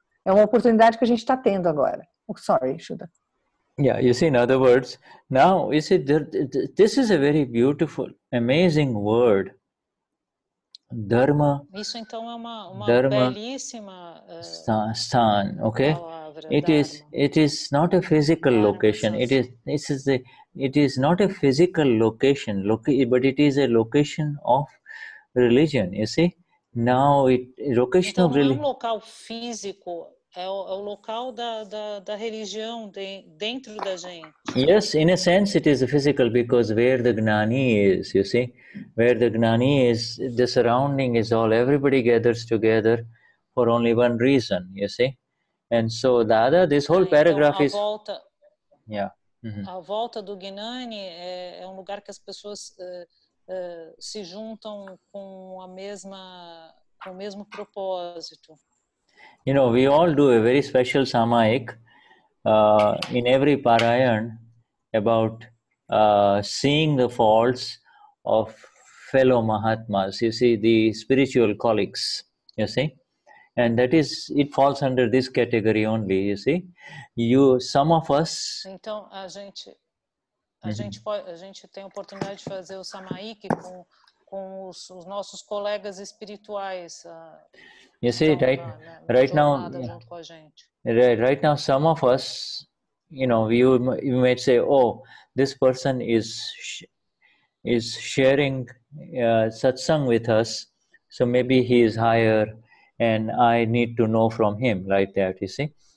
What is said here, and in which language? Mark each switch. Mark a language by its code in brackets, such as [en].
[pt] É uma oportunidade que a gente está tendo agora. [en] Yeah, you see, in other words, now, you see, this is a very beautiful, amazing word. Dharma. [pt] Isso, então, é uma belíssima... [en] Stan, okay? It is not a physical location. It is not a physical location, but it is a location of religion, you see? Now, location [pt] então, [en] of religion... [pt] Então, não é um local físico. É o local da religião dentro da gente. [en] Yes, in a sense it is physical because where the Gnani is, you see? Where the Gnani is, the surrounding is all, everybody gathers together for only one reason, you see? And so Dada, this whole paragraph [pt] então, [en] is... [pt] Volta, [en] yeah. [pt] Mm-hmm. A volta do Gnani é um lugar que as pessoas se juntam com com o mesmo propósito. [en] You know, we all do a very special samayik in every parayan about seeing the faults of fellow mahatmas, you see, the spiritual colleagues, you see. And that is, it falls under this category only, you see. Some of us... [pt] Então, a gente tem a oportunidade de fazer o samayik com os nossos colegas espirituais. [en] You see, right now, some of us, you know, you might say, oh, this person is sharing satsang with us, so maybe he is higher and I need to know from him, like that, you see.